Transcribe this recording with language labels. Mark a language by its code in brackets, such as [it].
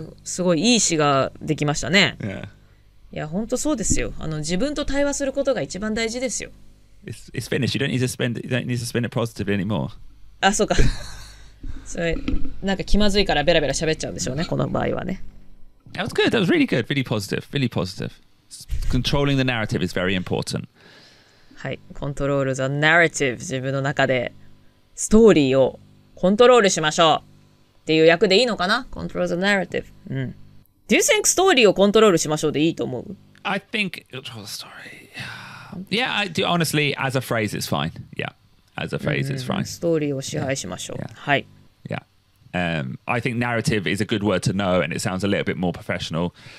[ja] すごいいい詩ができましたね。 [en] Yeah. [ja] いや、本当そうですよ。自分と対話することが一番大事ですよ。 [en] It's finished. You don't need to spend it positively anymore. [ja] あ、そうか。それなんか気まずいからベラベラ喋っちゃうんでしょうね、この場合はね。 [en] That was good. That was really good. Really positive. Really positive. Controlling the narrative is very important. はい。Control the narrative. [ja] 自分の中でストーリーをコントロールしましょうっていう訳でいいのかな? [en] Control the narrative. うん。Do you think [ja] ストーリーをコントロールしましょうでいいと思う? [en] I think control the story. Yeah, I do. Honestly, as a phrase, it's fine. Yeah. As a phrase, it's fine. [ja] ストーリーを支配しましょう。 [en] Yeah. Yeah. [ja] はい。 [en] I think narrative is a good word to know, and it sounds a little bit more professional.